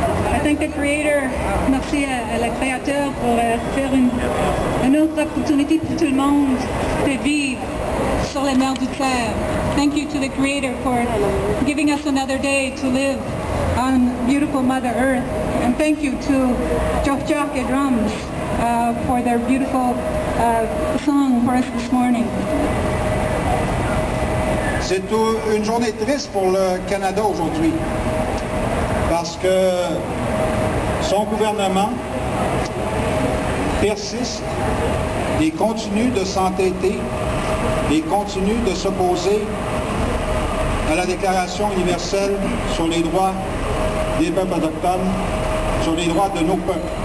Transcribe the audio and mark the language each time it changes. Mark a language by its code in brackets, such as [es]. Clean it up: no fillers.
[en] I thank the creator, [fr] merci à la créateur pour faire une autre opportunité pour tout le monde de vivre sur les mers du Caire. [en] Thank you to the creator for giving us another day to live on beautiful Mother Earth. And thank you to Chokchok and Drums for their beautiful song for us this morning. [fr] C'est une journée triste pour le Canada aujourd'hui parce que son gouvernement persiste et continue de s'entêter et continue de s'opposer à la Déclaration universelle sur les droits des peuples autochtones, sur les droits de nos peuples.